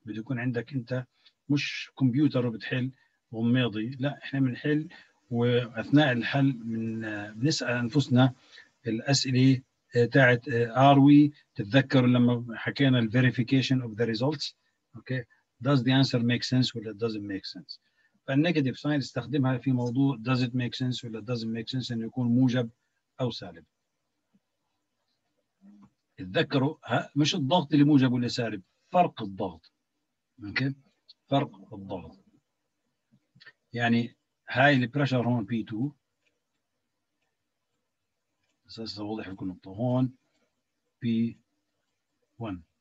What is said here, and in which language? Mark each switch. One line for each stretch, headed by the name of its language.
Arabic: بده يكون عندك انت مش كمبيوتر وبتحل وماضي، لا احنا بنحل واثناء الحل بنسال انفسنا الأسئلة تاعت
English: are we.
Arabic: تتذكر لما حكينا الـ
English: verification of the results. Okay. Does the answer make sense or doesn't make sense.
Arabic: فالنيجاتيف ساين استخدمها في موضوع
English: does it make sense
Arabic: or doesn't make sense، أن يكون موجب أو سالب. تذكروا مش الضغط اللي موجب ولا سالب، فرق الضغط.
English: Okay.
Arabic: فرق الضغط يعني هاي الـ pressure هون P2، أساس واضح لكم النقطة هون P1.